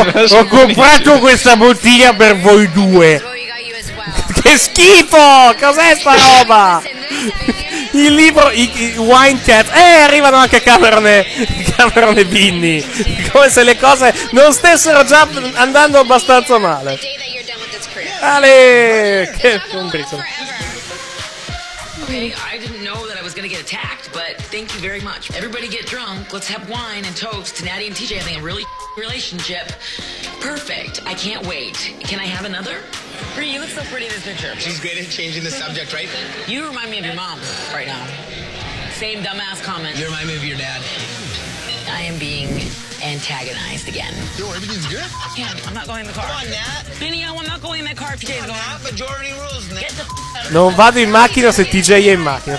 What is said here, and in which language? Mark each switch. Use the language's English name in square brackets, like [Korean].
[Italian] Ho comprato, questa bottiglia per voi due. Che schifo! Cos'è sta roba? Il libro, Wine Cat. Arrivano anche Cameron e Vinny. Come se le cose non stessero già andando abbastanza male. Ale! Che brutto. [English] Okay, I didn't know that I was gonna get attacked, but thank you very much. Everybody get drunk. Let's have wine and toast to Natty and TJ having a really relationship. Perfect. I can't wait. Can I have another? Bree, you look so pretty in this picture. She's great at changing the subject, right? You remind me of your mom right now. Same dumbass comment. You remind me of your dad. I am being antagonized again. Yo, everything's good? Yeah, I'm not going in the car. Come on, Nat. Vinny, I'm not going in that car if TJ's going. Nat, majority rules, Nat. Get the f*** out. [Italian] Non vado in macchina se TJ è in macchina.